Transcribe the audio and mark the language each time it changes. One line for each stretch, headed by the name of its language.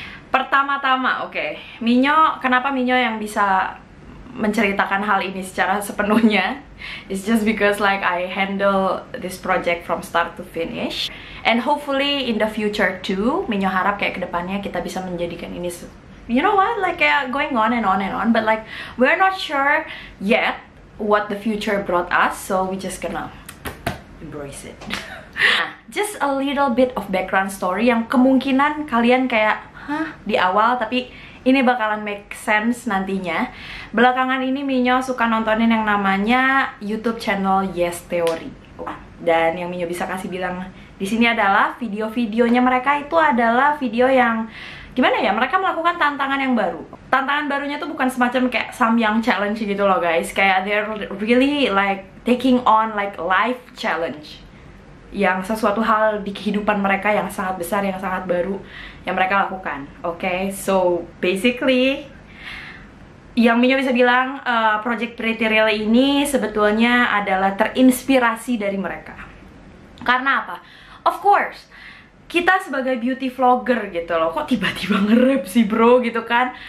Indonesian: Pertama-tama, oke, okay, Minyo, kenapa Minyo yang bisa menceritakan hal ini secara sepenuhnya?
English: It's just because like I handle this project from start to finish. And hopefully in the future too,
Indonesian: Minyo harap kayak kedepannya kita bisa menjadikan ini,
English: you know what, like going on and on and on. But like we're not sure yet what the future brought us, so we just gonna embrace it. Just a little bit of background story
Indonesian: yang kemungkinan kalian kayak hah di awal, tapi ini bakalan
English: make sense
Indonesian: nantinya. Belakangan ini Minyo suka nontonin yang namanya YouTube channel Yes Theory. Dan yang Minyo bisa kasih bilang di sini adalah video-videonya mereka itu adalah video yang gimana ya? Mereka melakukan tantangan yang baru. Tantangan barunya tuh bukan semacam kayak Samyang challenge gitu loh guys.
English: Kayak they're really like taking on like life challenge.
Indonesian: Yang sesuatu hal di kehidupan mereka yang sangat besar, yang sangat baru yang mereka lakukan, oke? Okay?
English: So, basically
Indonesian: yang Minyo bisa bilang Project Pretty Real ini sebetulnya adalah terinspirasi dari mereka. Karena apa?
English: Of course,
Indonesian: kita sebagai beauty vlogger gitu loh, kok tiba-tiba nge-rap sih bro gitu kan?